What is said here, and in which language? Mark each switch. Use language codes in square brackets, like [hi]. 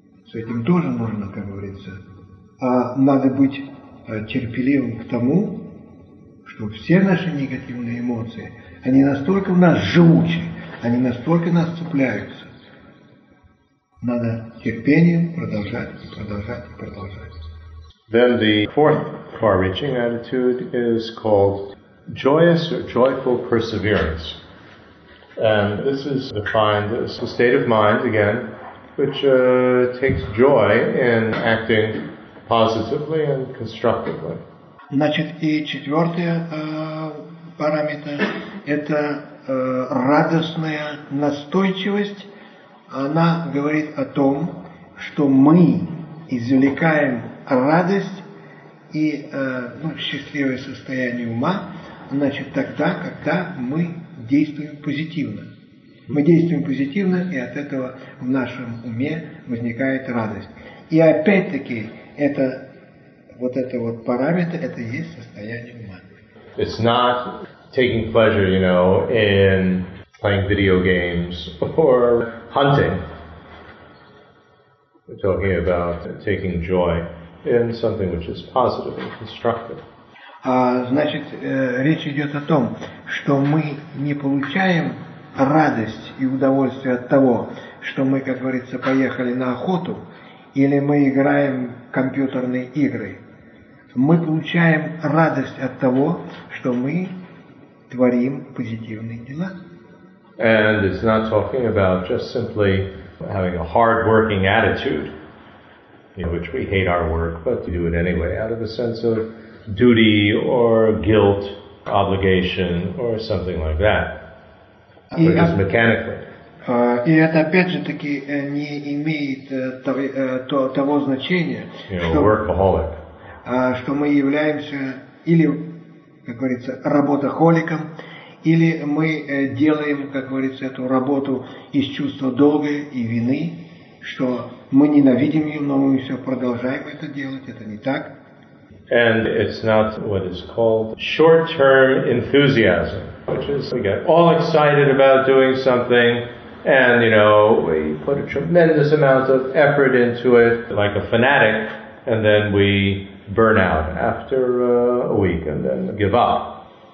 [ru] С этим тоже нужно, как говорится. А надо быть терпеливым к тому, что все наши негативные эмоции, они настолько в нас живучи, они настолько нас цепляются. Надо терпением продолжать, продолжать, продолжать. [en] Then the fourth far-reaching attitude is called joyous or joyful perseverance. And this is defined as a state of mind, again, which takes joy in acting positively and constructively. [ru] Значит, и четвертый параметр – это радостная настойчивость. Она говорит о том, что мы извлекаем радость и счастливое состояние ума, значит, тогда, когда мы действуем позитивно. Мы действуем позитивно, и от этого в нашем уме возникает радость. И опять-таки, это параметр, это и есть состояние ума. [en] It's not taking pleasure, you know, in playing video games or hunting. We're talking about taking joy in something which is positive and constructive. [ru] Значит, речь идет о том, что мы не получаем радость и удовольствие от того, что мы, как говорится, поехали на охоту, или мы играем в компьютерные игры. Мы получаем радость от того, что мы творим позитивные дела. [en] And it's not talking about just simply having a hard-working attitude, in which we hate our work, but we do it anyway, out of a sense of duty or guilt, obligation, or something like that. But it's mechanically. [ru] И это, опять же таки, не имеет того значения, что мы являемся или, как говорится, работохоликом, или мы делаем, как говорится, эту работу из чувства долга и вины, что мы ненавидим ее, но мы все продолжаем это делать, это не так. [en] And it's not what is called short-term enthusiasm, which is we get all excited about doing something, and, you know, we put a tremendous amount of effort into it, like a fanatic, and then we burn out after a week and then give up.